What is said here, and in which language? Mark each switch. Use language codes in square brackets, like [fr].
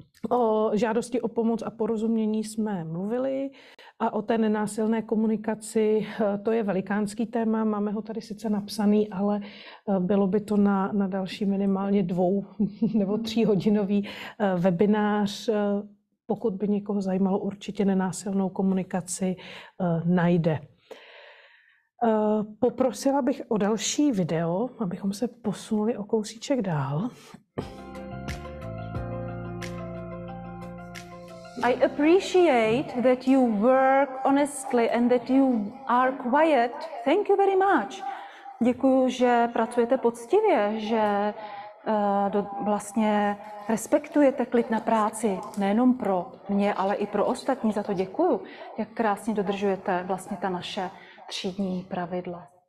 [cs] O žádosti o pomoc a porozumění jsme mluvili a o té nenásilné komunikaci, to je velikánský téma, máme ho tady sice napsaný, ale bylo by to na další minimálně 2- nebo 3hodinový webinář. Pokud by někoho zajímalo, určitě nenásilnou komunikaci najde. Poprosila bych o další video, abychom se posunuli o kousíček dál. [en] I appreciate that you work honestly and that you are quiet. Thank you very much. [cs] Děkuju, že pracujete poctivě, že vlastně respektujete klid na práci, nejenom pro mě, ale i pro ostatní. Za to děkuju, jak krásně dodržujete vlastně ta naše třídní pravidla.